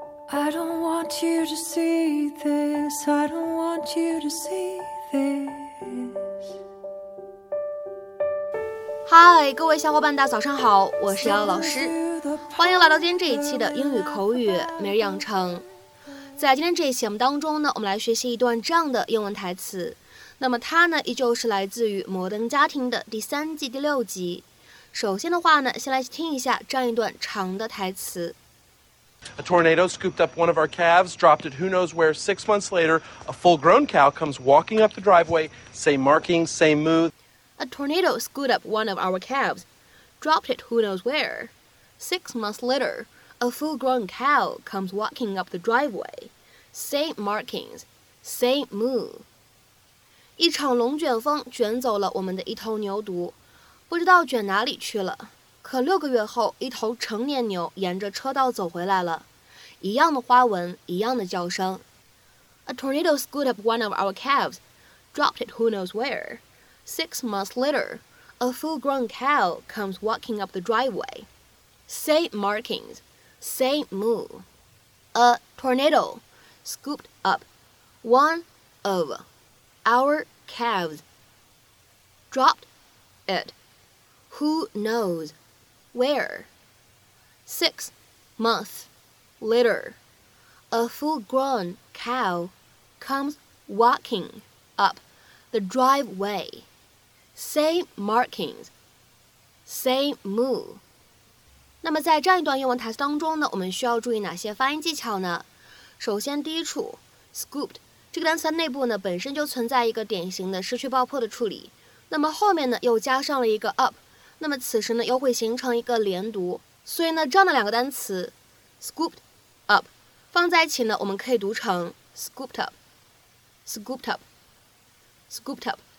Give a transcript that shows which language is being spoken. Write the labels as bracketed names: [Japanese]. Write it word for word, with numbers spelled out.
[English] I don't want you to see this. I don't want you to see this. [Chinese] Hi， 各位小伙伴，大家早上好，我是姚老师，欢迎来到今天这一期的英语口语每日养成。在今天这一期节目当中呢，我们来学习一段这样的英文台词。那么它呢，依旧是来自于《摩登家庭》的第三季第六集。首先的话呢，先来听一下这样一段长的台词。 [English] A tornado scooped up one of our calves, dropped it who knows where. Six months later, a full-grown cow comes walking up the driveway, same marking, same move. A tornado scooped up one of our calves, dropped it who knows where. Six months later, a full-grown cow comes walking up the driveway, same markings, same move. [Chinese] 一场龙卷风卷走了我们的一头牛犊，不知道卷哪里去了。可六个月后，一头成年牛沿着车道走回来了，一样的花纹，一样的叫声。 [English] A tornado scooped up one of our calves, dropped it who knows where. Six months later, a full-grown cow comes walking up the driveway. Same markings, same move. A tornado scooped up one of our calves, dropped it who knows where. Six months later, a full-grown cow comes walking up the driveway. Same markings, same move. [Chinese] 那么在这样一段英文台词当中呢，我们需要注意哪些发音技巧呢？首先第一处 scooped 这个单词内部呢本身就存在一个典型的失去爆破的处理，那么后面呢又加上了一个 up，那么此时呢又会形成一个连读，所以呢这样的两个单词 scooped up 放在一起呢，我们可以读成 scooped up scooped up scooped up。